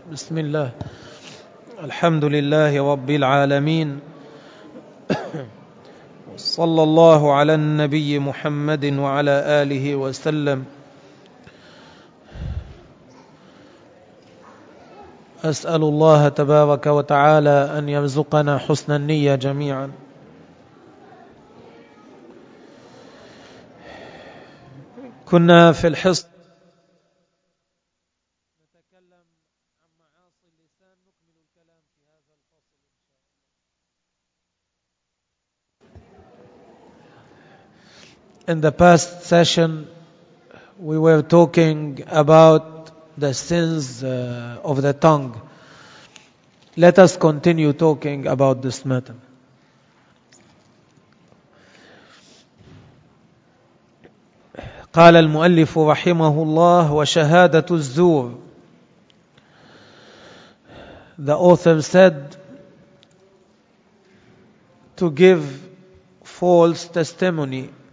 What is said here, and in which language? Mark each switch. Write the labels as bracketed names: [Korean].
[Arabic] بسم الله، الحمد لله رب العالمين، صلى الله على النبي محمد وعلى آله وسلم. أسأل الله تبارك وتعالى أن يرزقنا حسن النية جميعا. كنا في الحصة [English] In the past session, we were talking about the sins of the tongue. Let us continue talking about this matter. [Arabic] قال المؤلف رحمه الله وشهادة الزور. [English] The author said to give false testimony.